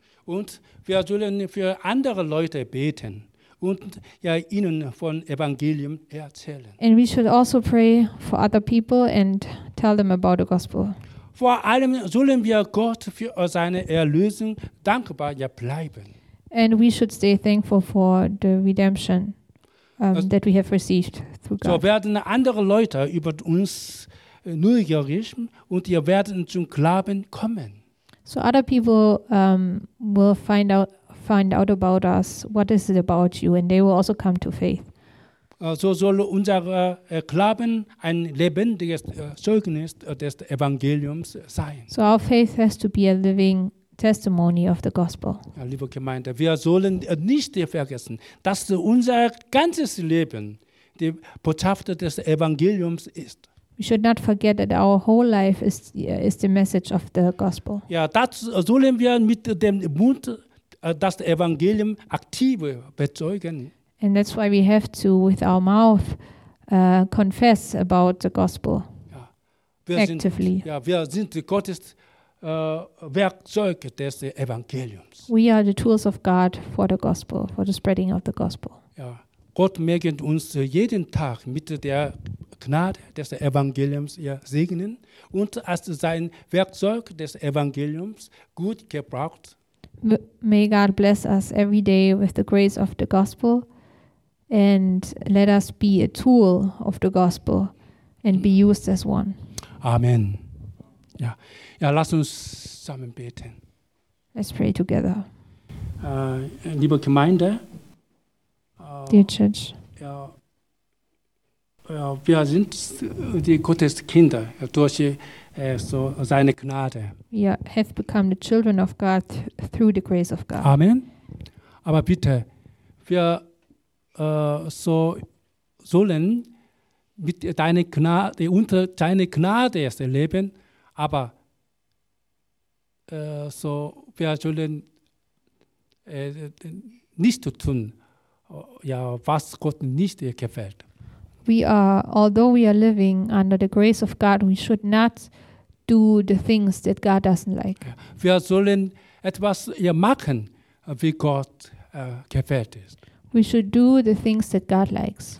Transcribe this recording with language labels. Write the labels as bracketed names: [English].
[German] Und wir sollen für andere Leute beten und ja ihnen von Evangelium erzählen. [English] And we should also pray for other people and tell them about the gospel. [German] Vor allem sollen wir Gott für seine Erlösung dankbar bleiben. [English] And we should stay thankful for the redemption that we have received through God. [German] So werden andere Leute über uns neugierig und ihr werden zum Glauben kommen. [English] So other people will find out about us, what is it about you, and they will also come to faith. [German] So soll unser Glauben ein lebendiges Zeugnis des Evangeliums sein. [English] So our faith has to be a living testimony of the gospel. [German] Ja, liebe Gemeinde, wir sollen nicht vergessen, dass unser ganzes Leben die Botschaft des Evangeliums ist. [English] We should not forget that our whole life is the message of the gospel. [German] Ja, dazu sollen wir mit dem Mund das Evangelium aktiv bezeugen. [English] And that's why we have to, with our mouth, confess about the gospel actively. [German] Ja, wir sind Gottes Werkzeug des Evangeliums. [English] We are the tools of God for the gospel, for the spreading of the gospel. [German] Ja, Gott möge uns jeden Tag mit der Gnade des Evangeliums segnen und als sein Werkzeug des Evangeliums gut gebraucht. [English] May God bless us every day with the grace of the gospel. And let us be a tool of the gospel and be used as one. [German] Amen. Ja, ja, lass uns zusammen beten. [English] Let's pray together. [German] Liebe Gemeinde. [English] Dear Church. [German] Ja, ja, wir sind die Gottes Kinder durch so seine Gnade. [English] We have become the children of God through the grace of God. Amen. [German] Aber bitte, wir so sollen mit deiner Gnade, unter deiner Gnade leben, aber so wir sollen nicht tun, ja, was Gott nicht gefällt. [English] We are, although we are living under the grace of God, we should not do the things that God doesn't like. [German] Wir sollen etwas machen, wie Gott gefällt ist. [English] We should do the things that God likes.